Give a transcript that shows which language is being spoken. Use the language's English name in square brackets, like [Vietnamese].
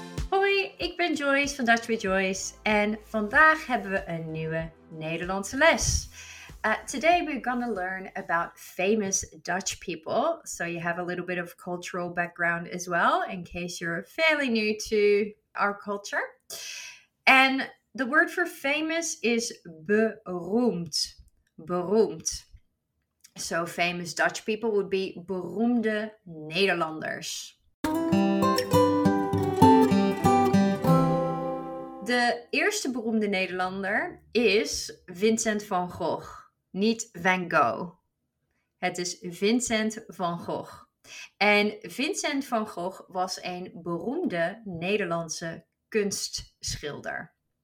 [Dutch] Hoi, ik ben Joyce van Dutch with Joyce en vandaag hebben we een nieuwe Nederlandse les. [English] Today we're going to learn about famous Dutch people, so you have a little bit of cultural background as well, in case you're fairly new to our culture. And the word for famous is beroemd, beroemd. So famous Dutch people would be [Dutch] beroemde Nederlanders. De eerste beroemde Nederlander is Vincent van Gogh. Niet Van Gogh. Het is Vincent van Gogh. En Vincent van Gogh was een beroemde Nederlandse kunstschilder.